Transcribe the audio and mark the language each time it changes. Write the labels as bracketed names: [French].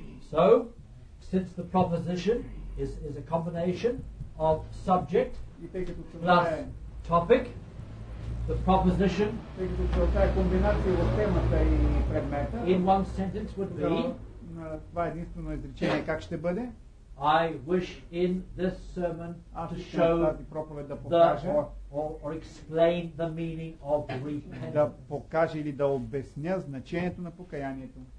[English] So, since the proposition is a combination of subject plus topic, the proposition in one sentence would be, [Bulgarian] на това единствено изречение как ще бъде? [English] I wish in this sermon to show or explain the meaning of repentance. [Bulgarian] Да покажа или да обясня значението на покаянието.